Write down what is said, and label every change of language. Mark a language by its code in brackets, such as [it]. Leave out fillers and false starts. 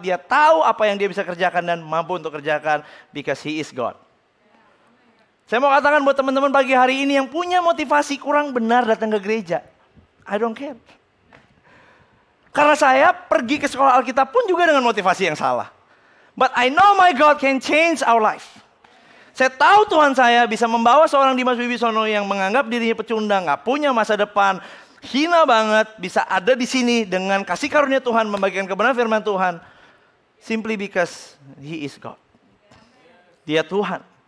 [id] Dia tahu apa yang dia bisa kerjakan dan mampu untuk kerjakan, because he is God. Saya mau katakan buat teman-teman pagi hari ini yang punya motivasi kurang benar datang ke gereja, I don't care. Karena saya pergi ke sekolah Alkitab pun juga dengan motivasi yang salah. [en] But I know my God can change our life. [id] Saya tahu Tuhan saya bisa membawa seorang Dimas Wibisono yang menganggap dirinya pecundang, gak punya masa depan, hina banget, bisa ada di sini dengan kasih karunia Tuhan, membagikan kebenaran firman Tuhan. [en] Simply because he is God. Dia Tuhan.